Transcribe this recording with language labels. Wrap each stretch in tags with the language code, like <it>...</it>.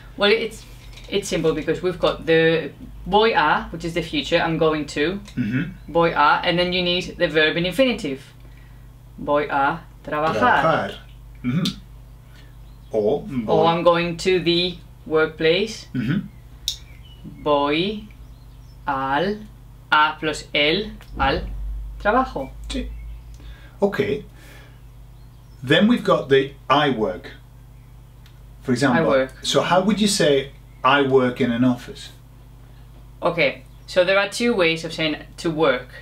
<en>Well, it's simple because we've got the</en> <es>voy a,</es> <en>which is the future, I'm going to, mm-hmm.</en> <es>Voy a,</es> <en>and then you need the verb in infinitive.</en> <es>Voy a trabajar. Trabajar. Mm-hmm. Or</es> <en>I'm going to the workplace, mm-hmm.</en> <es>Voy al, a plus el, al trabajo. Sí.</es> <en>Okay. Then we've got the I work. For example, I work. So how would you say I work in an office? Okay, so there are two ways of saying to work.</en>